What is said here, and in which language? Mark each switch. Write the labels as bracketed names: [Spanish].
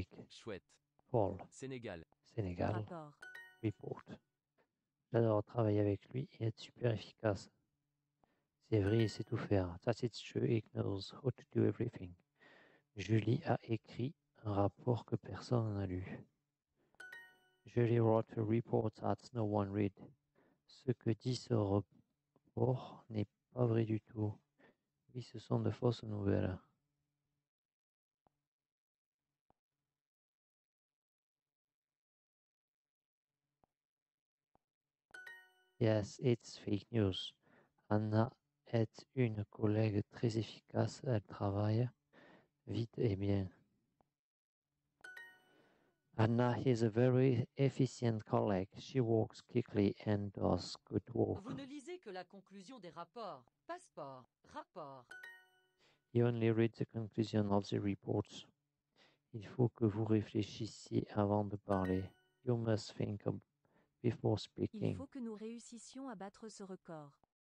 [French] Chouette. Paul. Sénégal. Sénégal. Rapport. [English] Report. [French] J'adore travailler avec lui, il est super efficace. C'est vrai, il sait tout faire. [English] That's it, true, he knows how to do everything. [French] Julie a écrit un rapport que personne n'a lu. [English] Julie wrote a report that no one read. [French] Ce que dit ce rapport n'est pas vrai du tout. Oui, ce sont de fausses nouvelles. [English] Yes, it's fake news. [French] Anna est une collègue très efficace. Elle travaille vite et bien. [English] Anna is a very efficient colleague. She works quickly and does good work. [French] Vous ne lisez que la conclusion des rapports. Passport. Rapport. [English] You only read the conclusion of the reports. [French] Il faut que vous réfléchissiez avant de parler. [English] You must think before speaking. [French] Il faut que nous réussissions à battre ce record.